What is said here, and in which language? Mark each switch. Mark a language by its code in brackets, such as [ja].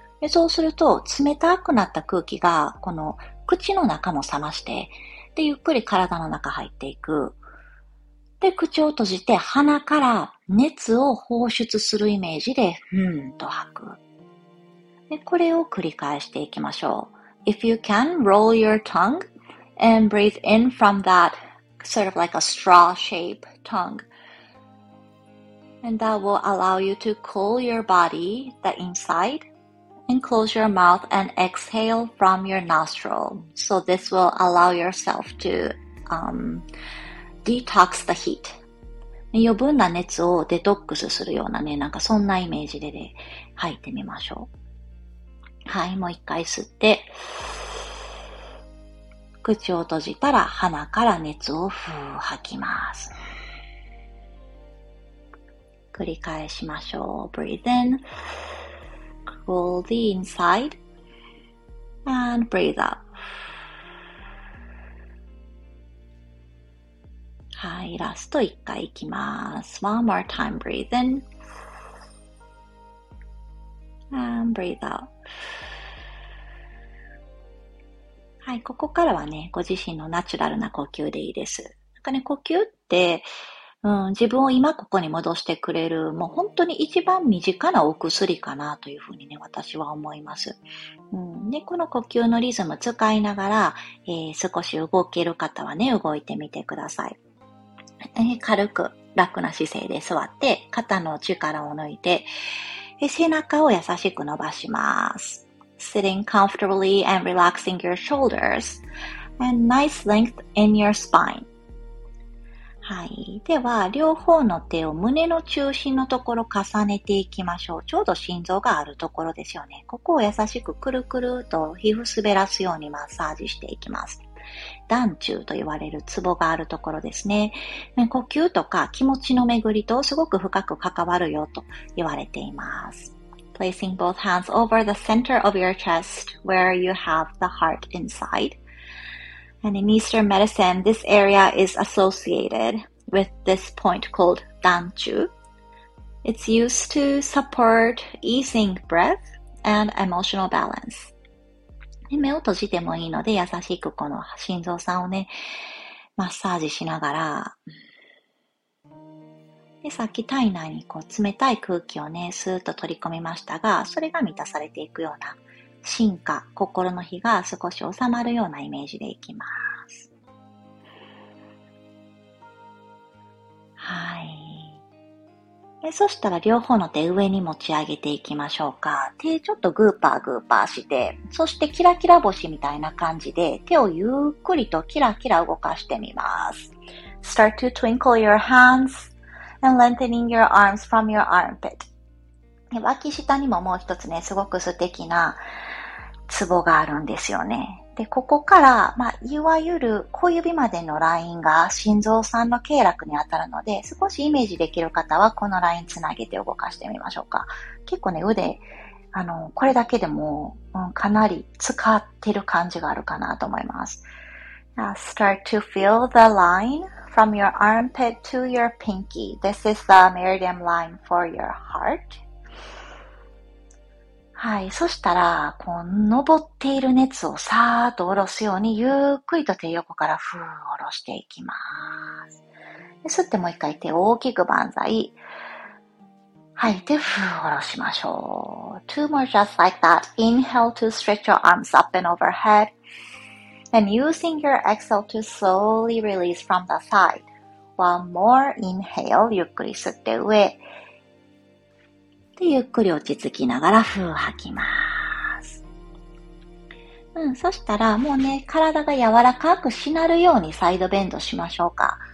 [ja] で、そうすると、冷たくなった空気が、この、口の中も冷まして、で、ゆっくり体の中入っていく。で、口を閉じて鼻から熱を放出するイメージで、と吐く。で、これを繰り返していきましょう。 [en] If you can, roll your tongue and breathe in from that sort of like a straw shape tongue. And that will allow you to cool your body, the inside, and close your mouth and exhale from your nostril. So this will allow yourself to, detox the heat. [ja] 余分な熱をデトックスするようなね、なんかそんなイメージでね、吐いてみましょう。はい、もう一回吸って、口を閉じたら鼻から熱をふう吐きます。繰り返しましょう。 [en] Breathe in, cool the inside, and breathe out. [ja] はい、ラスト一回いきます。 [en] One more time, breathe in. And breathe out. [ja] はい、ここからはね、ご自身のナチュラルな呼吸でいいです。なんかね、呼吸って、自分を今ここに戻してくれる、もう本当に一番身近なお薬かなというふうにね、私は思います。で、この呼吸のリズム使いながら、少し動ける方はね、動いてみてください。軽く楽な姿勢で座って、肩の力を抜いて、背中を優しく伸ばします。 [en] Sitting comfortably and relaxing your shoulders and nice length in your spine. [ja] はい。では、両方の手を胸の中心のところ重ねていきましょう。ちょうど心臓があるところですよね。ここを優しくくるくると皮膚滑らすようにマッサージしていきます。胆中と言われるツボがあるところですね。呼吸とか気持ちの巡りとすごく深く関わるよと言われています。 [en] Placing both hands over the center of your chest where you have the heart inside. And in Eastern medicine, this area is associated with this point called 胆中. It's used to support easing breath and emotional balance. [ja] 目を閉じてもいいので、優しくこの心臓さんをね、マッサージしながら、で、さっき体内にこう冷たい空気をね、スーッと取り込みましたが、それが満たされていくような、心火、心の火が少し収まるようなイメージでいきます。はい。そしたら両方の手上に持ち上げていきましょうか。手ちょっとグーパーグーパーして、そしてキラキラ星みたいな感じで手をゆっくりとキラキラ動かしてみます。 [en] Start to twinkle your hands and lengthening your arms from your armpit. [ja] 脇下にももう一つね、すごく素敵なツボがあるんですよね。で、ここから、まあ、いわゆる小指までのラインが心臓さんの経絡に当たるので、少しイメージできる方はこのラインつなげて動かしてみましょうか。結構ね、腕、これだけでも、かなり使ってる感じがあるかなと思います。 [en] Start to feel the line from your armpit to your pinky. This is the meridian line for your heart. [ja] はい。そしたら、こう、登っている熱をさーっと下ろすように、ゆっくりと手横からふー下ろしていきます。吸ってもう一回手を大きく万歳。吐いてふー下ろしましょう。 [en] Two more just like that. Inhale to stretch your arms up and overhead. And using your exhale to slowly release from the side. One more inhale. [ja] ゆっくり吸って上。でゆっくり落ち着きながら、ふう吐きます。うん、そしたら、もうね、体が柔らかくしなるようにサイドベンドしましょうか。